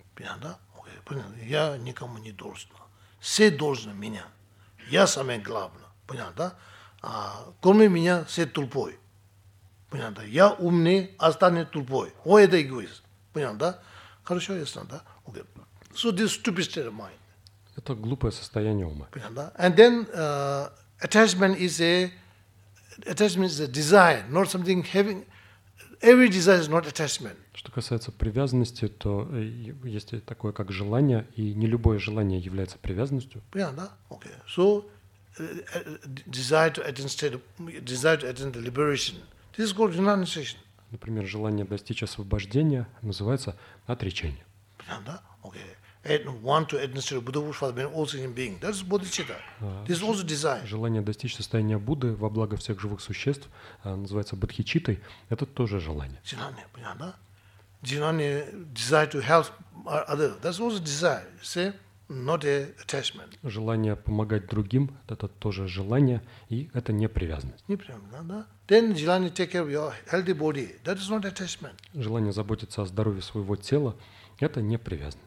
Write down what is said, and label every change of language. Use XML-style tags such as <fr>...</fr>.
<ru>Понятно? Okay. Понятно. Я никому не должен. Все должны меня. Я самое главное. Понятно, да? Кроме меня, все толпой. Понятно? Я умный, остальные толпой. О, это эгоизм. Понятно, да? Хорошо, ясно, да?</ru> <en>Okay. So this stupid state of mind.</en> <ru>Это глупое состояние ума. Понятно, да?</ru> <en>And then attachment is a desire, not something having. Every desire is not attachment.</en> <ru>Что касается привязанности, то есть такое как желание, и не любое желание является привязанностью. Понятно, да?</ru> <en>Okay. So desire to attain the liberation. This is called renunciation.</en> <ru>Например, желание достичь освобождения называется отречение. Понятно, да? Okay.</ru> <en>And want to attain the state of Buddha, which was being all sentient being. That's bodhicitta. This is also desire.</en> <ru>Желание достичь состояния Будды во благо всех живых существ называется бодхичиттой. Это тоже желание. Желание, понятно, да? Желание,</ru> <en>desire to help others. That's also desire. See? Not a attachment.</en> <ru>Желание помогать другим – это тоже желание, и это не привязанность. Не привязанность, да?</ru> <en>Then</en> <ru>желание</ru> <en>take care of your healthy body. That is not attachment.</en> <ru>Желание заботиться о здоровье своего тела – это не привязанность.</ru>